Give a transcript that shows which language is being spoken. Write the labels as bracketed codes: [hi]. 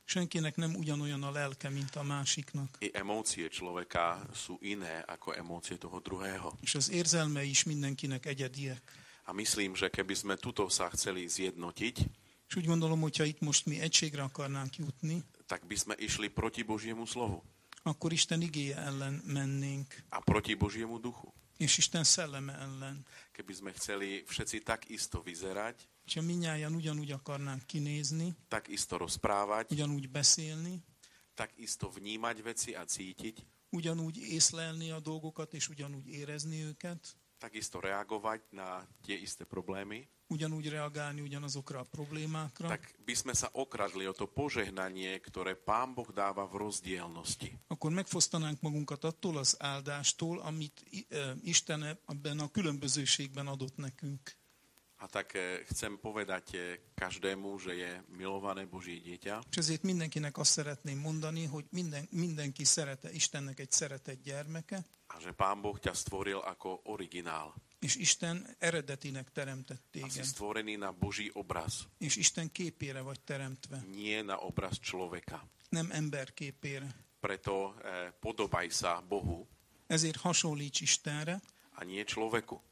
[hu] Senkinek nem ugyanolyan a lelke, mint a másiknak. [sk] I emócie človeka sú iné, ako emócie toho druhého. [hu] És az érzelme is mindenkinek egyediek. [sk] A myslím, že keby sme tuto sa chceli zjednotiť, [hu] és úgy gondolom, hogyha itt most mi egységre akarnánk jutni, [sk] tak by sme išli proti Božiemu slovu. [hu] Akkor Isten igéje ellen mennénk. [sk] A proti Božiemu duchu. [hu] És Isten szelleme ellen. [sk] Keby sme chceli všetci tak isto vyzerať, [hu] že minnyájan ugyanúgy akarnánk kinézni, [sk] tak isto rozprávať, [hu] ugyanúgy beszélni, [sk] tak isto vnímať veci a cítiť, [hu] ugyanúgy észlelni a dolgokat és ugyanúgy érezni őket, [sk] tak isto reagovať na tie isté problémy, [hu] ugyanúgy reagálni ugyanazokra a problémákra. [sk] Tak by sme sa okradli o to požehnanie, ktoré Pán Boh dáva v rozdielnosti. [hu] Akkor megfosztanánk magunkat attól az áldástól, amit Isten ebben a különbözőségben adott nekünk. [sk] A tak chcem povedať každému, že je milované Božie dieťa. [hu] És ezért mindenkinek azt szeretném mondani, hogy mindenki szerete Istennek egy szeretett gyermeke. [sk] A že Pán Boh ťa stvoril ako originál. [hu] És Isten eredetinek teremtett téged. [sk] Asi stvorený na Boží obraz. [hu] És Isten képére vagy teremtve. [sk] Nie na obraz človeka. [hu] Nem ember képére. [sk] Preto podobaj sa Bohu. [hu] Ezért hasonlíts Istenre. [sk] A nie človeku.